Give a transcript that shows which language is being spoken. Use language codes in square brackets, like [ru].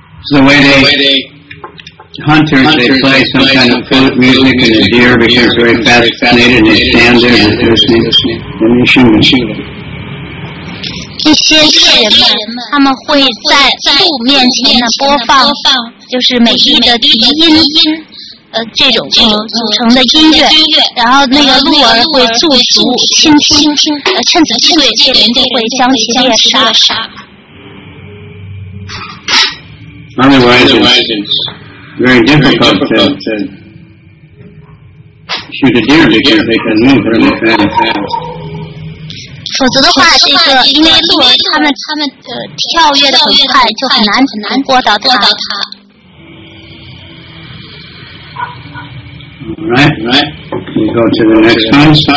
[en] The way they hunters, they play some kind of flute music, and the deer becomes very fascinated, and they stand there and listen. Then they shoot and shoot them. [zh] 一些猎人们，他们会在鹿面前呢播放，就是美丽的笛音，这种组成的音乐，然后那个鹿儿会驻足倾听，趁此机会，猎人就会将其猎杀。 [en] Otherwise, it's very difficult to shoot a deer because they can move really fast. [zh] 否则的话，这个因为鹿儿他们跳跃的很快，就很难捕获到它。 [en] Alright, right. We go to the next one.